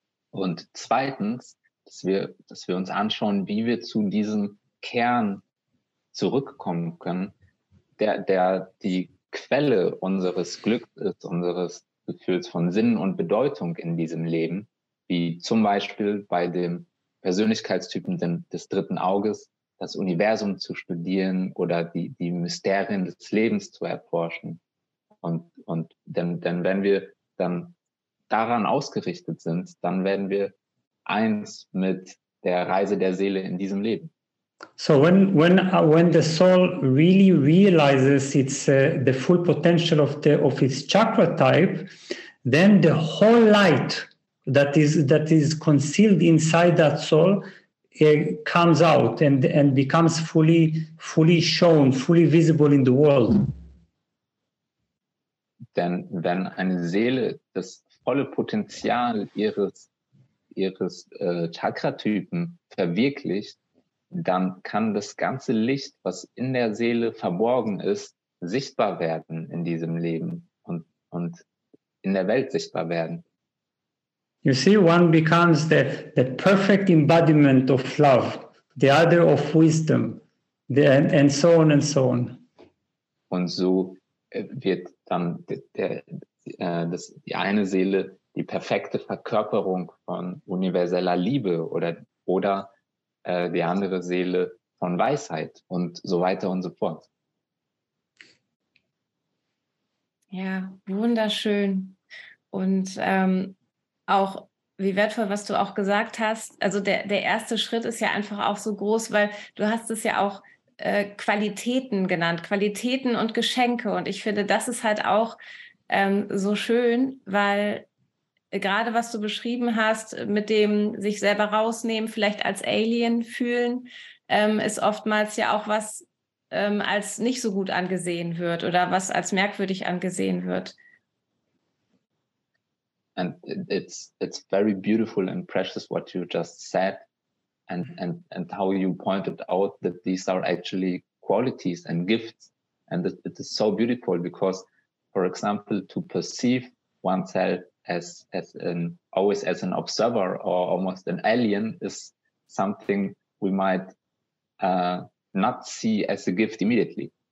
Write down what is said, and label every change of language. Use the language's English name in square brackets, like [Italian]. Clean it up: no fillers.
[German] Und zweitens, dass wir uns anschauen, wie wir zu diesem Kern zurückkommen können, der die Quelle unseres Glücks ist, unseres Gefühls von Sinn und Bedeutung in diesem Leben, wie zum Beispiel bei dem Persönlichkeitstypen des dritten Auges, das Universum zu studieren oder die Mysterien des Lebens zu erforschen. Und denn wenn wir dann daran ausgerichtet sind, dann werden wir eins mit der Reise der Seele in diesem Leben. [English] So when the soul really realizes its the full potential of its chakra type, then the whole light that is concealed inside that soul comes out and becomes fully shown, fully visible in the world. [German] Denn wenn eine Seele das volle Potenzial ihres Chakra-Typen verwirklicht, dann kann das ganze Licht, was in der Seele verborgen ist, sichtbar werden in diesem Leben und in der Welt sichtbar werden. [English] You see, one becomes the perfect embodiment of love, the other of wisdom, and so on and so on. [German] Und so wird dann die eine Seele die perfekte Verkörperung von universeller Liebe oder die andere Seele von Weisheit und so weiter und so fort. Ja, wunderschön. Und auch, wie wertvoll, was du auch gesagt hast. Also der erste Schritt ist ja einfach auch so groß, weil du hast es ja auch Qualitäten genannt, Qualitäten und Geschenke. Und ich finde, das ist halt auch so schön, weil gerade was du beschrieben hast, mit dem sich selber rausnehmen, vielleicht als Alien fühlen, ist oftmals ja auch was, als nicht so gut angesehen wird oder was als merkwürdig angesehen wird. [English] And it's very beautiful and precious what you just said, and how you pointed out that these are actually qualities and gifts, and it is so beautiful because, for example, to perceive oneself as an observer or almost an alien is something we might not see as a gift immediately.